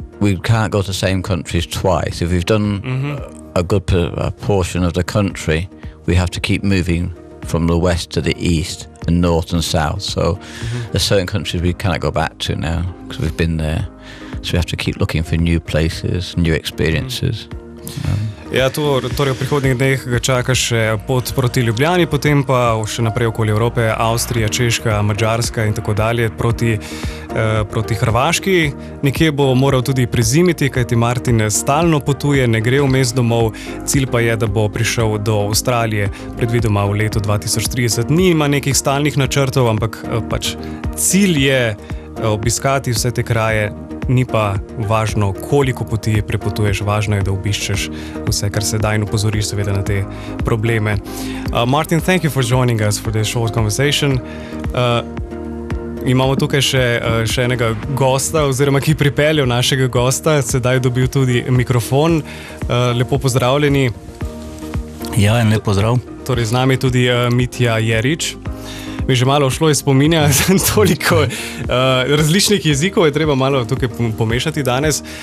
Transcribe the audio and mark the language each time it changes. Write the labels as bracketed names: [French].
[English] We can't go to the same countries twice. If we've done a good portion of the country, we have to keep moving from the west to the east and north and south. So there's certain countries we cannot go back to now because we've been there. So we have to keep looking for new places, new experiences. [Slovenian] Ja, torej v prihodnjih dneh ga čaka še pot proti Ljubljani, potem pa še naprej okoli Evrope, Avstrija, Češka, Madžarska in tako dalje, proti Hrvaški. Nekje bo moral tudi prezimiti, kajti Martin stalno potuje, ne gre vmes domov, cilj pa je, da bo prišel do Avstralije predvidoma v letu 2030. Nima nekih stalnih načrtov, ampak pač cilj je obiskati vse te kraje, ni pa važno, koliko poti je prepotuješ, važno je, da obiščeš vse, kar se da in upozoriš seveda na te probleme. [English] Martin, thank you for joining us for this short conversation. [Slovenian] Imamo tukaj še enega gosta, oziroma ki pripeljal našega gosta, sedaj je dobil tudi mikrofon. Lepo pozdravljeni. Ja, en lep pozdrav. Torej z nami tudi Mitja Jerič. Mi že malo šlo iz spominja, toliko različnih jezikov je treba malo tukaj pomešati danes.